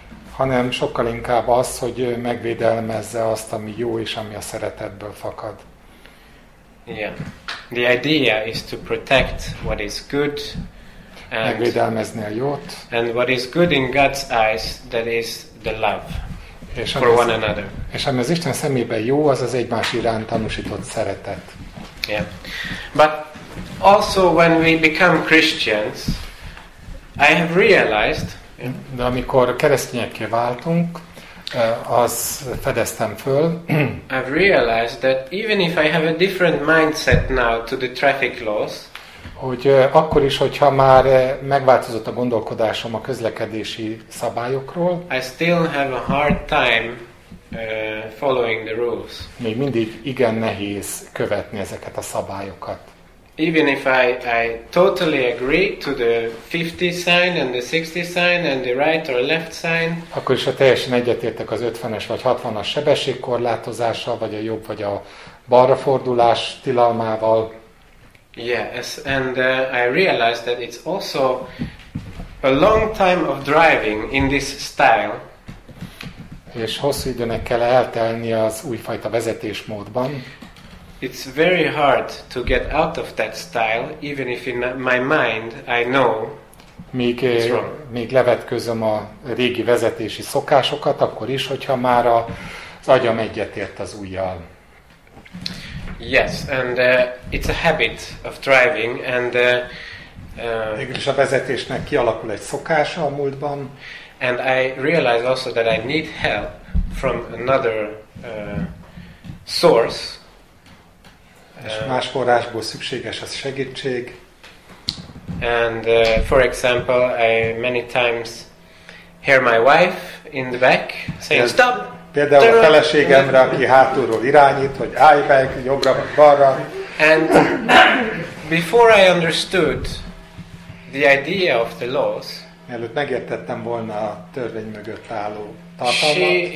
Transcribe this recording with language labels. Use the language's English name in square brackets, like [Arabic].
[Hungarian] Hanem sokkal inkább az, hogy megvédelmezze azt, ami jó és ami a szeretetből fakad. [English] Yeah. The idea is to protect what is good [Hungarian] and megvédelmezni a jót. [English] And what is good in God's eyes, that is the love. [Hungarian] És [English] for one another. [Hungarian] És ami az Isten szemében jó, az az egymás iránt tanúsított szeretet. [English] Yeah. But also when we become Christians, I have realized. [Hungarian] De amikor keresztényekké váltunk, az fedeztem föl. [English] I've realized that even if I have a different mindset now to the traffic laws. [Hungarian] Hogy akkor is, hogyha már megváltozott a gondolkodásom a közlekedési szabályokról, [English] I still have a hard time following the rules. [Hungarian] Még mindig igen nehéz követni ezeket a szabályokat. [English] Even if I totally agree to the 50 sign and the 60 sign and the right or left sign. [Hungarian] Akkor is, ha teljesen egyetértek az 50-es vagy 60-as sebességkorlátozással, vagy a jobb vagy a balra fordulás tilalmával. [English] Yes, and I realized that it's also a long time of driving in this style. [Hungarian] És hosszú időnek kell eltelni az újfajta vezetésmódban. [English] It's very hard to get out of that style, even if in my mind I know it's wrong. [Hungarian] Még levetkőzöm a régi vezetési szokásokat, akkor is, hogyha már az agyam egyetért az újjal. [English] Yes, and it's a habit of driving, and [Hungarian] a vezetésnek kialakul egy szokása a múltban. [English] And I realize also that I need help from another source. [Hungarian] És más forrásból szükséges az segítség. [English] And for example, I many times hear my wife in the back saying stop. [Hungarian] Például a feleségemre, aki hátulról irányít, hogy állj meg, jobbra vagy balra. [English] And before I understood the idea of the laws, [Hungarian] mielőtt megértettem volna a törvény mögött álló tartalmat,